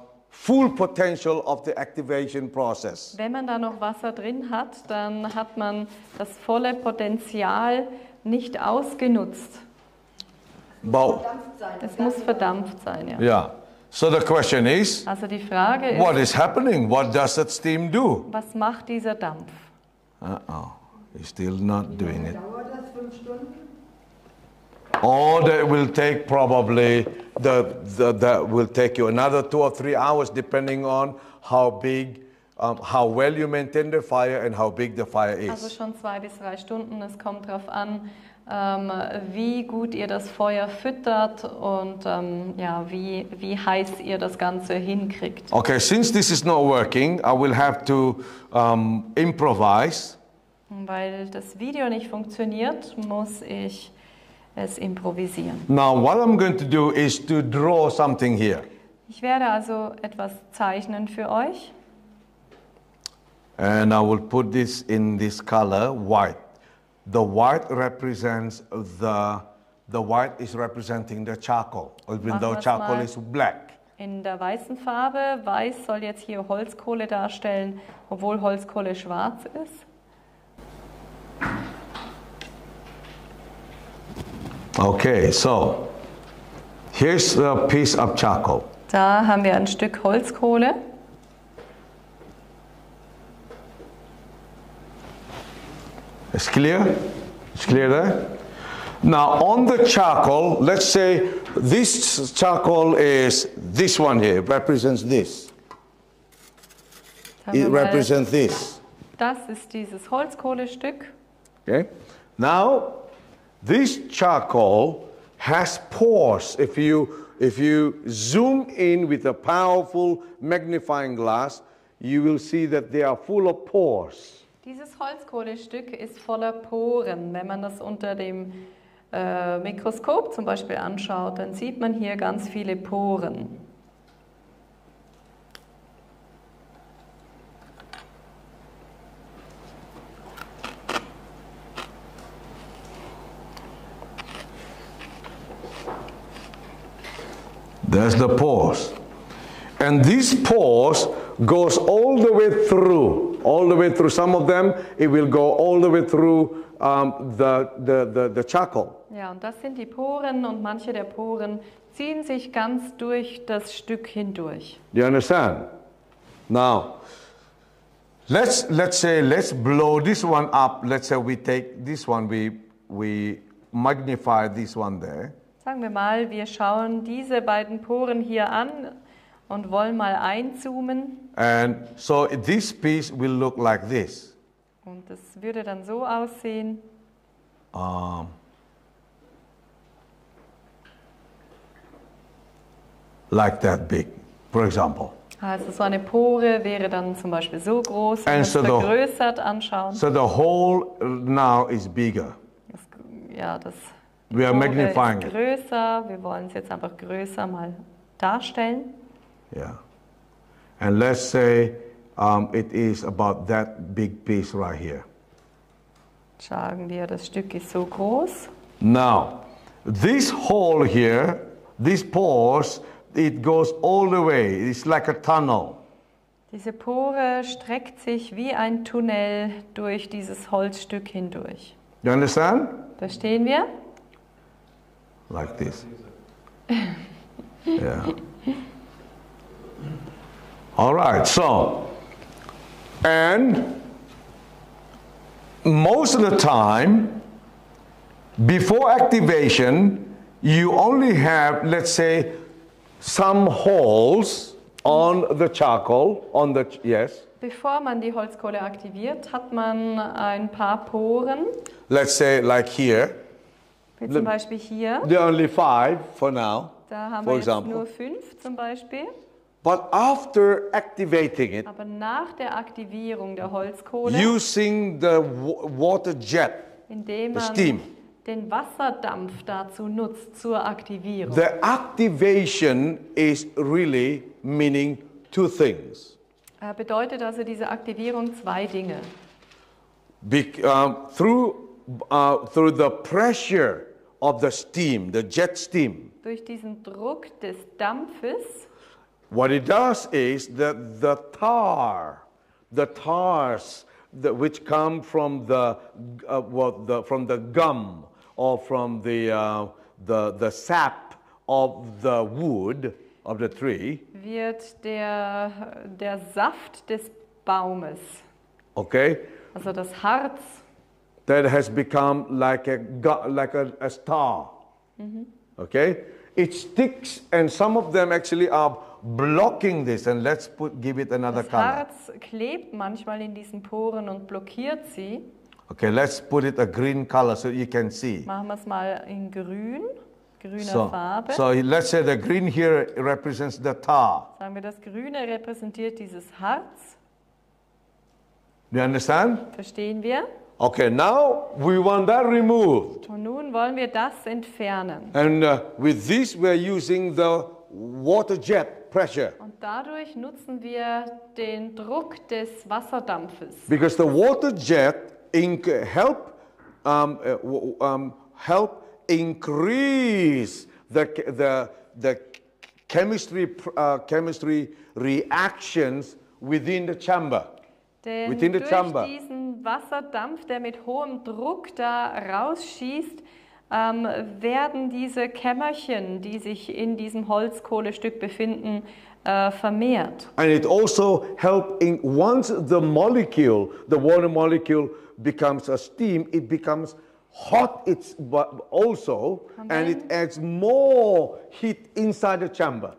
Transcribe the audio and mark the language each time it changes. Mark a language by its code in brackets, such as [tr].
[en] Full potential of the activation process. [de] Wenn man da noch Wasser drin hat, dann hat man das volle Potenzial nicht ausgenutzt. Es muss verdampft sein, ja. [en] Yeah. So the question is, [de] also die Frage ist, [en] what is happening? What does that steam do? [de] Was macht dieser Dampf? [en] Uh-oh, he's still not doing it. [de] Dauert das 5 Stunden? [en] Or that will take probably that will take you another 2 or 3 hours, depending on how big, how well you maintain the fire and how big the fire is. [de] Also schon 2 bis 3 Stunden. Es kommt drauf an, wie gut ihr das Feuer füttert und wie heiß ihr das Ganze hinkriegt. [en] Okay, since this is not working, I will have to improvise. [de] Weil das Video nicht funktioniert, muss ich es improvisieren. [en] Now what I'm going to do is to draw something here. [de] Ich werde also etwas zeichnen für euch. [en] And I will put this in this color, white. The white represents the white is representing the charcoal, even though charcoal is black. [de] In der weißen Farbe, weiß soll jetzt hier Holzkohle darstellen, obwohl Holzkohle schwarz ist. [en] Okay, so here's a piece of charcoal. [de] Da haben wir ein Stück Holzkohle. [en] It's clear? It's clear there? Now on the charcoal, let's say this charcoal is this one here, represents this. It represents this. [de] Das ist dieses Holzkohlestück. [en] Okay. Now this charcoal has pores. If you zoom in with a powerful magnifying glass, you will see that they are full of pores. [de] Dieses Holzkohlestück ist voller Poren. Wenn man das unter dem Mikroskop zum Beispiel anschaut, dann sieht man hier ganz viele Poren. [en] There's the pores. And these pores goes all the way through. all the way through some of them, it will go all the way through the charcoal. [de] Ja, und das sind die Poren und manche der Poren ziehen sich ganz durch das Stück hindurch. [en] Do you understand? Now, let's blow this one up. Let's say we take this one, we magnify this one there. [de] Sagen wir mal, wir schauen diese beiden Poren hier an und wollen mal einzoomen. [en] And so this piece will look like this. [de] Und es würde dann so aussehen. [en] Like that big, for example. [de] Also so eine Pore wäre dann zum Beispiel so groß, wenn wir es vergrößert anschauen. [en] So the hole now is bigger. [de] Ja, das. [en] We are magnifying it. [de] Größer. Wir wollen es jetzt einfach größer mal darstellen. [en] Yeah. And let's say it is about that big piece right here. [de] Sagen wir, das Stück ist so groß. [en] Now, this hole here, these pores, it goes all the way. It's like a tunnel. [de] Diese Pore streckt sich wie ein Tunnel durch dieses Holzstück hindurch. [en] You understand? [de] Verstehen wir? [en] Like this. Yeah. All right, so. And most of the time, before activation, you only have, let's say, some holes on the charcoal, on the, yes. [de] Bevor man die Holzkohle aktiviert, hat man ein paar Poren. [en] Let's say, like here. [de] Zum Beispiel hier. [en] There are only five for now. [de] Da haben wir jetzt nur fünf zum Beispiel. [en] But after activating it, [de] aber nach der Aktivierung der Holzkohle, [en] using the water jet, [de] indem man [en] the steam, [de] den Wasserdampf dazu nutzt zur Aktivierung. [en] The activation is really meaning two things. [de] Bedeutet also diese Aktivierung zwei Dinge. [en] Through the pressure of the steam, the jet steam. [de] Durch diesen Druck des Dampfes. [en] What it does is that the tars which come from the gum or from the sap of the wood of the tree. [de] Wird der Saft des Baumes. [en] Okay. [de] Also das Harz. [en] That has become like a star. Mm-hmm. Okay? It sticks and some of them actually are blocking this. And let's give it another color. [de] Das Harz klebt manchmal in diesen Poren und blockiert sie. [en] Okay, let's put it a green color so you can see. [de] Machen wir es mal in grün, grüner so, Farbe. [en] So let's say the green here represents the tar. [de] Sagen wir, das Grüne repräsentiert dieses Harz. [en] You understand? [de] Verstehen wir? [en] Okay, now we want that removed. [de] Und nun wollen wir das entfernen. [en] And with this we are using the water jet pressure. [de] Und dadurch nutzen wir den Druck des Wasserdampfes. [en] Because the water jet help increase the chemistry reactions within the chamber. [de] Denn [en] within the [de] durch [en] chamber. [de] Diesen Wasserdampf, der mit hohem Druck da rausschießt, werden diese Kämmerchen, die sich in diesem Holzkohlestück befinden, vermehrt. [en] And it also helps in once the molecule, the water molecule, becomes a steam, it becomes hot it's also and it adds more heat inside the chamber.